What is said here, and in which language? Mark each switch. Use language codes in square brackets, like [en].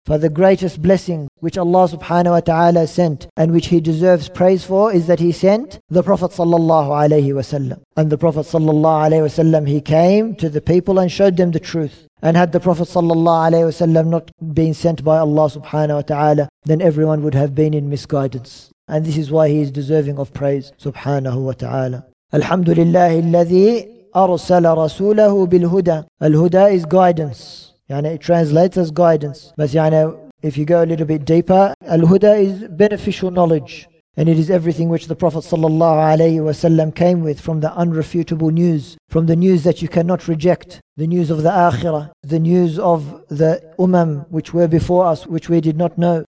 [en] For the greatest blessing which Allah subhanahu wa ta'ala sent and which he deserves praise for is that he sent the Prophet sallallahu alayhi wa sallam. And the Prophet sallallahu alayhi wa sallam, he came to the people and showed them the truth. And had the Prophet sallallahu alayhi wa sallam not been sent by Allah subhanahu wa ta'ala, then everyone would have been in misguidance. And this is why he is deserving of praise, subhanahu wa ta'ala. [ar] Alhamdulillah alladhi أرسل رسوله بالهدى. [en] الهدى is guidance. يعني it translates as guidance. But يعني if you go a little bit deeper, الهدى is beneficial knowledge. And it is everything which the Prophet sallallahu alayhi wa sallam came with, from the unrefutable news, from the news that you cannot reject, the news of the akhirah, the news of the umam which were before us, which we did not know.